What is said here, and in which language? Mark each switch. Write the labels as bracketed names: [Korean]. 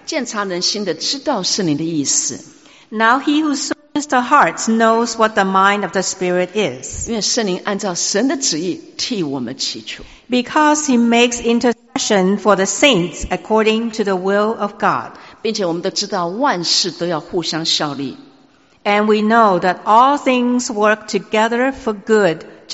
[Chinese] 鉴察人心的知道圣灵的意思。 [English] Now he who searches the hearts knows what the mind of the Spirit is. [Chinese] 因为圣灵按照神的旨意替我们祈求。 [English] Because he makes intercession for the saints according to the will of God. [Chinese] 并且我们都知道万事都要互相效力。 [English] And we know that all things work together for good.